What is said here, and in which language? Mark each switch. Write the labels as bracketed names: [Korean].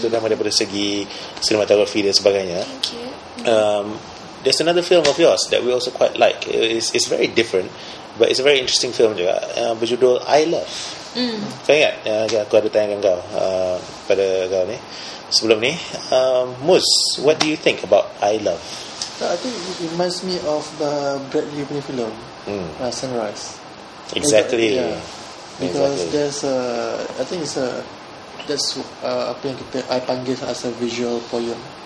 [Malay] Terutama daripada segi cinematography dan sebagainya. [English] Thank you. There's another film of yours that we also quite like. It's very different, but it's a very interesting film juga. [Malay] Berjudul I Love. Kau ingat? Aku ada tanyakan kau pada kau ni sebelum ni. [English] Mus, what do you think about I Love? I think it reminds me of the Bradley Whitney film, Sunrise. Exactly. Because there's [Malay] apa yang kita I panggil [English] as a visual poem.